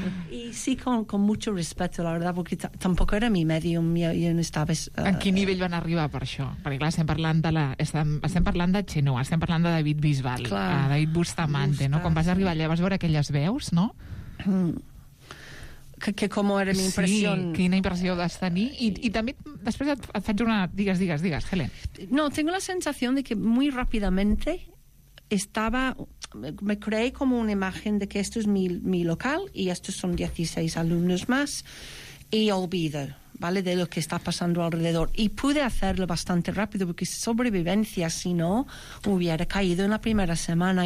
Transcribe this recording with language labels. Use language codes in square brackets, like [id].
[es] Y sí, con mucho respeto, la verdad, porque tampoco era mi medium. Yo no estaba... [ca] ¿En quin nivell van arribar per això? Perquè, clar, estem parlant de Chenoa, estem parlant de David Bisbal, clar, David Bustamante, no? Quan vas arribar allà vas veure aquelles veus, no? Que com era mi impressió. Sí, quina impressió vas tenir. I també després et faig una... Digues, Helen. [es] No, tengo la sensación de que muy rápidamente estaba... Me creé como una imagen de que esto es mi local y estos son 16 alumnos más y olvido, ¿vale?, de lo que está pasando alrededor. Y pude hacerlo bastante rápido porque sobrevivencia, si no, hubiera caído en la primera semana.